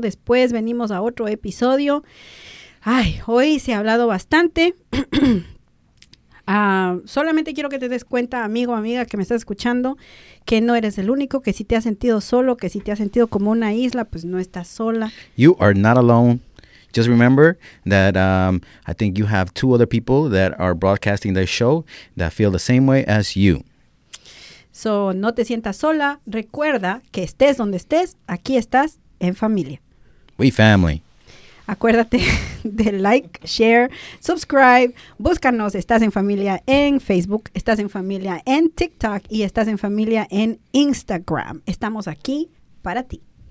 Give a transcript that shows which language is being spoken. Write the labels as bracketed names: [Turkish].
[Spanish] Después venimos a otro episodio. Ay, hoy se ha hablado bastante. solamente quiero que te des cuenta, amigo, amiga, que me estás escuchando, que no eres el único, que si te has sentido solo, que si te has sentido como una isla, pues no estás sola. [English] You are not alone. Just remember that I think you have two other people that are broadcasting this show that feel the same way as you. So, [Spanish] no te sientas sola. Recuerda que estés donde estés, aquí estás en familia. [English] We family. [Spanish] Acuérdate de [English] like, share, subscribe, [Spanish] búscanos, Estás en Familia en Facebook, Estás en Familia en TikTok y Estás en Familia en Instagram. Estamos aquí para ti.